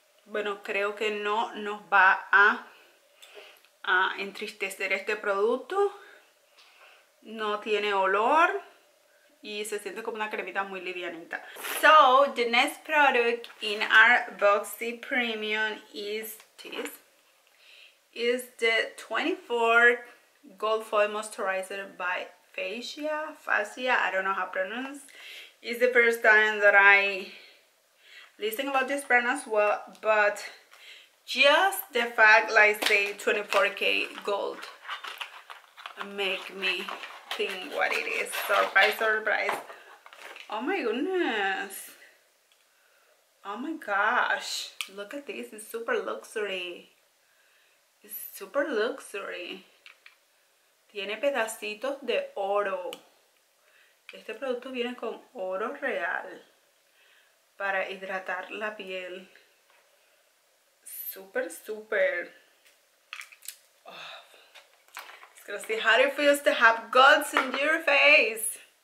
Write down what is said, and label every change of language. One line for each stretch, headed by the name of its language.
Spanish: Bueno, creo que no nos va a entristecer este producto. No tiene olor y se siente como una cremita muy livianita.
English: So, the next product in our Boxy Premium is this. Is the 24 Gold Foil Moisturizer by Faccia. Faccia, I don't know how to pronounce. It's the first time that I listen about this brand as well. But just the fact, like say 24K gold, make me think what it is. Surprise, surprise. Oh my goodness. Oh my gosh. Look at this. It's super luxury. It's super luxury.
Spanish: Tiene pedacitos de oro. Este producto viene con oro real para hidratar la piel.
English: Super, super. Oh, it's gonna see how it feels to have guts in your face.